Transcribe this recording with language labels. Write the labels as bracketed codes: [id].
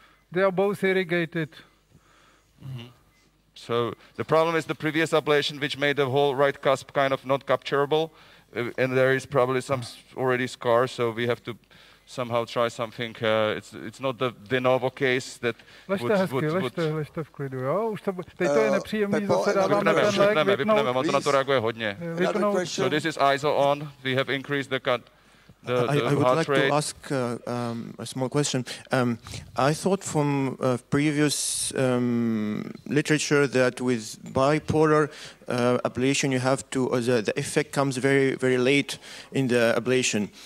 [en] They are both irrigated. Mm-hmm. So the problem is the previous ablation, which made the whole right cusp kind of not capturable, and there is probably some already scar, so we have to somehow try something. It's not the de novo case that [cs] ležte [en] would... [cs] Ležte v klidu, jo? Už to, teď to je nepříjemný, zase dáváme ten lék vypnout. Vypneme, on to na to reaguje hodně. [en] So this is ISO on, we have increased the cut. I would like to ask a small question. I thought from previous literature that with bipolar ablation you have to the effect comes very very late in the ablation.